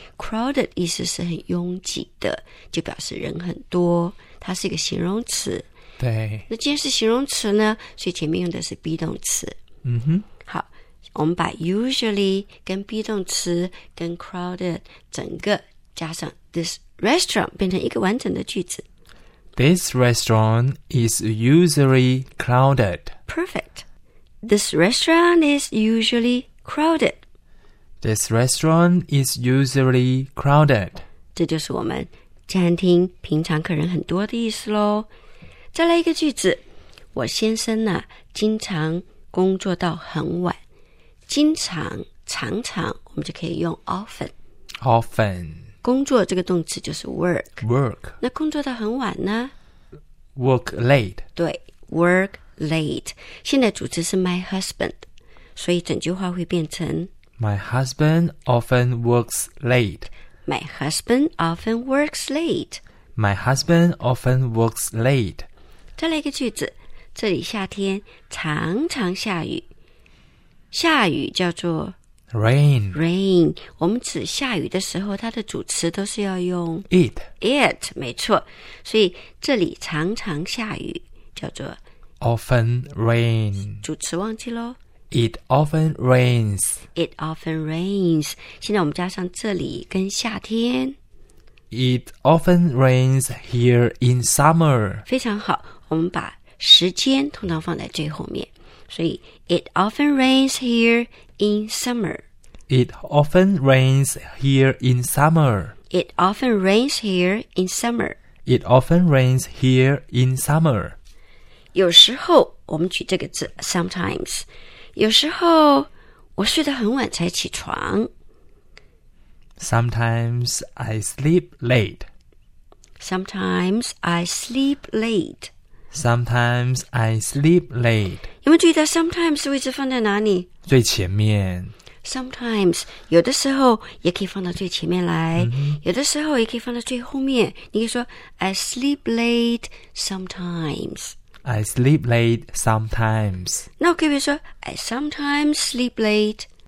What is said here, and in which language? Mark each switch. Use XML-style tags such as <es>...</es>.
<zh>Crowded 意思是很拥挤的，就表示人很多。它是一个形容词，对。那既然是形容词呢，所以前面用的是 be 动词。嗯哼。好，我们把 usually 跟 be 动词跟 crowded 整个加上</zh> <en>this restaurant</en> <zh>变成一个完整的句子。</zh> <en>This restaurant is usually crowded. Perfect. This restaurant is usually crowded. This restaurant is usually crowded.</en> <zh>这就是我们餐厅平常客人很多的意思咯。再来一个句子，我先生呢经常工作到很晚。经常、常常我们就可以用 often。</zh> <en>often</en> <zh>工作这个动词就是 work</zh> <en>work。</en> <zh>那工作到很晚呢</zh> <en>work late. 对 ,work late.</en> <zh>现在主词是</zh> <en>my husband,</en> <zh>所以整句话会变成</zh> <en>My husband often works late. My husband often works late. My husband often works late.</en> <zh>再来一个句子，这里夏天常常下雨。下雨叫做</zh> <en>rain. Rain.</en> <zh>我们指下雨的时候，它的主词都是要用</zh> <en>it. It.</en> <zh>没错。所以这里常常下雨叫做</zh> <en>often rain.</en> <zh>主词忘记咯。</zh> <en>It often rains. It often rains.</en> <zh>现在我们加上这里跟夏天。</zh> <en>It often rains here in summer.</en> <zh>非常好。我们把时间通常放在最后面。所以</zh> <en>it often rains here in summer. It often rains here in summer. It often rains here in summer. It often rains here in summer.</en> <zh>有时候我们举这个字 sometimes. 有时候我睡得很晚才起床。</zh> <en>Sometimes I sleep late. Sometimes I sleep late. Sometimes I sleep late.</en> <zh>有没有注意到 sometimes 位置放在哪里？最前面。 Sometimes 有的时候也可以放到最前面来，有的时候也可以放到最后面。你可以说</zh> <en>I sleep late sometimes. I sleep late sometimes.</en> <zh>那我可以说</zh> <en>I sometimes sleep late.</en>